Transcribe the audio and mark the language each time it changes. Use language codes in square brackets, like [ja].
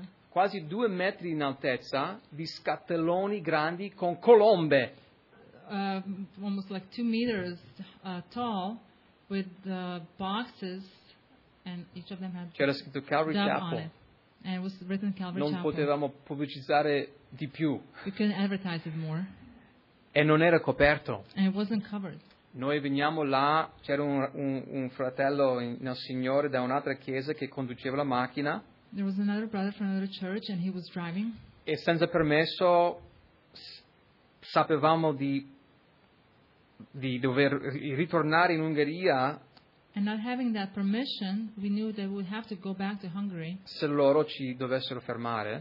[it] Quasi 2 metri in altezza, di scatteloni grandi con colombe. [en] Almost like 2 meters tall, with boxes, and each of them had [it] c'era scritto Calvary Chapel [en] on it, and it was written Calvary [it] non [en] Chapel. [it] Potevamo pubblicizzare di più. [en] We couldn't advertise it more. [it] E non era coperto. [en] And it wasn't covered. [it] Noi veniamo là, c'era un fratello nel Signore da un'altra chiesa che conduceva la macchina. [en] There was another brother from another church, and he was driving. [it] E senza permesso. Sapevamo di dover ritornare in Ungheria [en] And not having that permission, we knew that we'd have to go back to Hungary. [it] Se loro ci dovessero fermare.